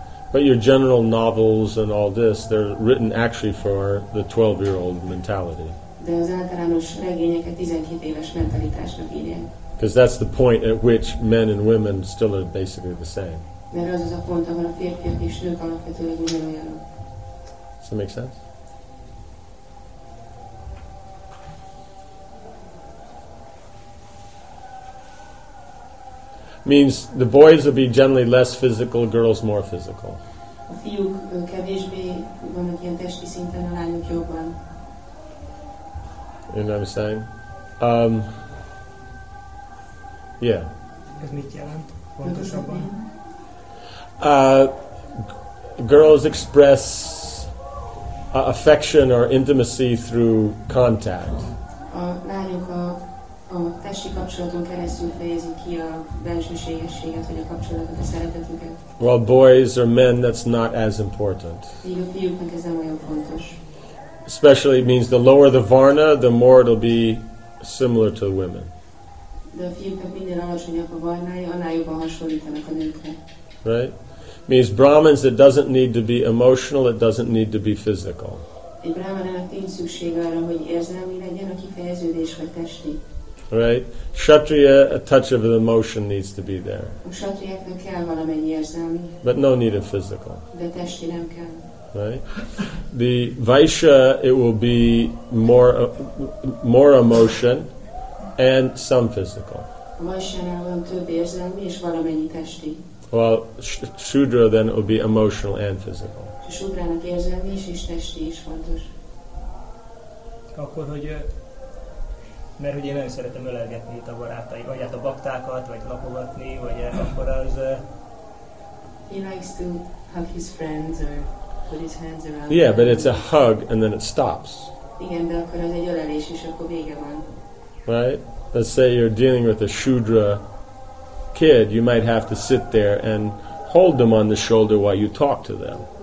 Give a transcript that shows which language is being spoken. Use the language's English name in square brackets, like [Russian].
[English] But your general novels and all this, they're written actually for the 12-year-old mentality. Because that's the point at which men and women still are basically the same. [Hungarian] Mert az az a pont, ahol a férfiak és nők alapvetőleg ugyanolyanok. [English] Does that make sense? Means the boys will be generally less physical, girls more physical. [Hungarian] A fiúk kevésbé vannak ilyen testi szinten, a lányok jobban. [English] You know what I'm saying? Yeah. [Hungarian] Ez mit jelent? Pontosabban? [English] Girls express affection or intimacy through contact. [Hungarian] A lányok a testi kapcsolaton keresztül fejezik ki a bensőségességet, vagy a kapcsolatot, a szeretetüket. [English] Well, boys or men, that's not as important. [Hungarian] Így a fiúknak ez nem olyan fontos. [English] Especially it means the lower the varna, the more it'll be similar to women. [Hungarian] De a fiúknak minden alacsonyabb a varnája, annál jobban hasonlítanak a nőkre. [English] Right? Means Brahmins, it doesn't need to be emotional, it doesn't need to be physical. [Hungarian] Egy Brahmanának nincs szüksége arra, hogy érzelmi legyen, a kifejeződés vagy testi. [English] Right? Kshatriya, a touch of an emotion needs to be there. [Hungarian] A kshatriyáknak kell valamennyi érzelmi. [English] But no need of physical. [Hungarian] De testi nem kell. [English] Right? The Vaishya, it will be more emotion and some physical. [Hungarian] A Vaishyánál van több érzelmi és valamennyi testi. [English] Well, Shudra then it would be emotional and physical. [Hungarian] Shudrának érzelmi is és testi is fontos. Akkor, hogy mert hogy én nagyon szeretem ölelgetni itt a barátai, vagy hát a baktákat, vagy lapogatni, vagy akkor az... [English] He likes to hug his friends or put his hands around. Yeah, but it's a hug and then it stops. [Hungarian] Igen, de akkor az egy ölelés és akkor vége van. [English] Right? Let's say you're dealing with a Shudra kid, you might have to sit there and hold them on the shoulder while you talk to them.